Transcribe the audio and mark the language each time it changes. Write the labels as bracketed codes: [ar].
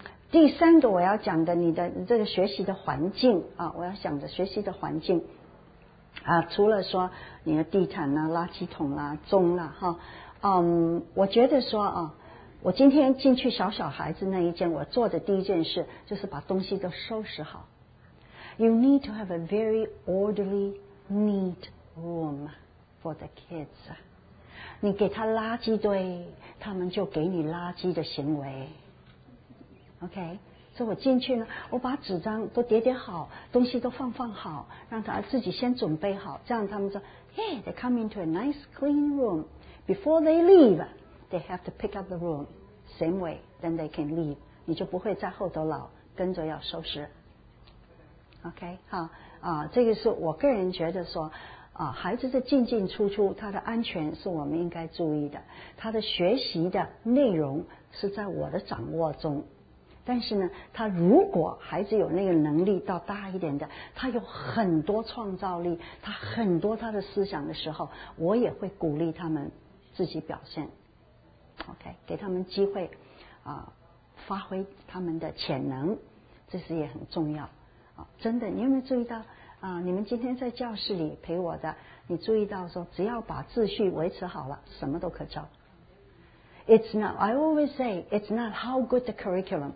[zh] 第三个我要讲的你的这个学习的环境啊，我要讲的学习的环境啊，除了说你的地毯啊垃圾桶啊钟啊，我觉得说啊，我今天进去小小孩子那一间，我做的第一件事就是把东西都收拾好。 [en] You need to have a very orderly, neat room for the kids. [zh] 你给他垃圾堆，他们就给你垃圾的行为。 OK， 所以我进去呢，我把纸张都叠叠好，东西都放放好，让他自己先准备好，这样他们说 ， [en] Hey, they come into a nice, clean room. Before they leave, they have to pick up the room. Same way, then they can leave. [zh] 你就不会在后头老跟着要收拾。OK， 好啊，这个是我个人觉得说啊，孩子的进进出出，他的安全是我们应该注意的，他的学习的内容是在我的掌握中。但是呢，他如果孩子有那个能力到大一点的，他有很多创造力，他很多他的思想的时候，我也会鼓励他们自己表现。 OK， 给他们机会啊，发挥他们的潜能，这是也很重要。真的，你有没有注意到啊？你们今天在教室里陪我的，你注意到说，只要把秩序维持好了，什么都可教。 [en] It's not. I always say, it's not how good the curriculum.